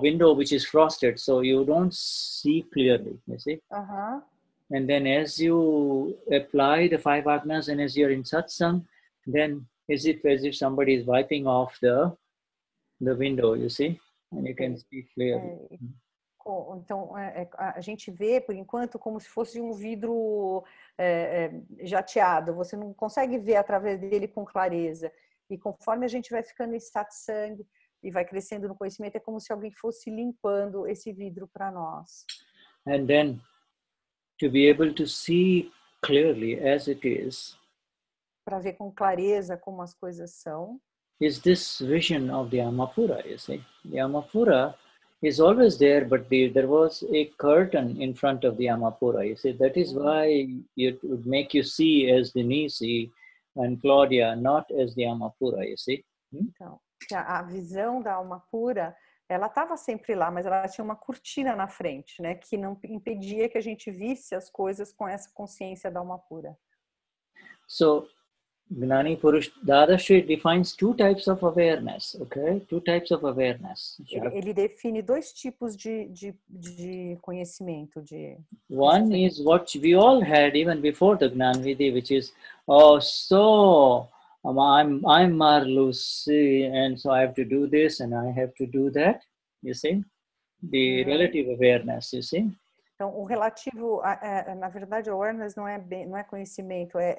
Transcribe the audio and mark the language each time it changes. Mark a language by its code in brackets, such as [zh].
[en] Window which is frosted, so you don't see clearly, you see. Uh-huh. And then as you apply the five agnas and as you're in satsang, then as if somebody is wiping off the window, you see, and you can see clearly. [pt] Então a gente vê por enquanto como se fosse um vidro jateado, você não consegue ver através dele com clareza, e conforme a gente vai ficando em satsang e vai crescendo no conhecimento, é como se alguém fosse limpando esse vidro para nós. [en] And then, to be able to see clearly as it is, [pt] para ver com clareza como as coisas são, [en] is this vision of the Amapura, you see? The Amapura is always there, but there was a curtain in front of the Amapura, you see? That is why it would make you see as Denise and Claudia, not as the Amapura, you see? [pt] Então, a visão da alma pura, ela estava sempre lá, mas ela tinha uma cortina na frente, né? Que não impedia que a gente visse as coisas com essa consciência da alma pura. [en] So, Gnani Purush Dadashri defines two types of awareness, okay? Two types of awareness. [pt] Ele define dois tipos de conhecimento. [en] One is what we all had even before the Gnanvidhi, which is, oh, so... I'm Marlucy, and so I have to do this, and I have to do that. You see, the relative awareness. You see. [pt] Então, o relativo, na verdade, awareness não é conhecimento,